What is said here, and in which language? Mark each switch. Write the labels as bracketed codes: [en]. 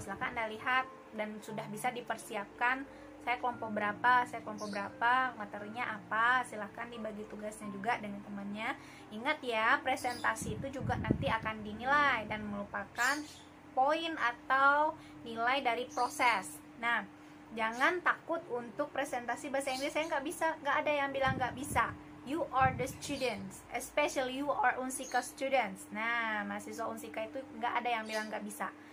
[id] Silahkan Anda lihat dan sudah bisa dipersiapkan saya kelompok berapa, materinya apa, silahkan dibagi tugasnya juga dengan temannya. Ingat ya, presentasi itu juga nanti akan dinilai dan merupakan poin atau nilai dari proses. Nah, jangan takut untuk presentasi bahasa Inggris, saya nggak bisa, nggak ada yang bilang nggak bisa. [en] You are the students, especially you are UNSIKA students. [id] Nah, mahasiswa UNSIKA itu nggak ada yang bilang nggak bisa.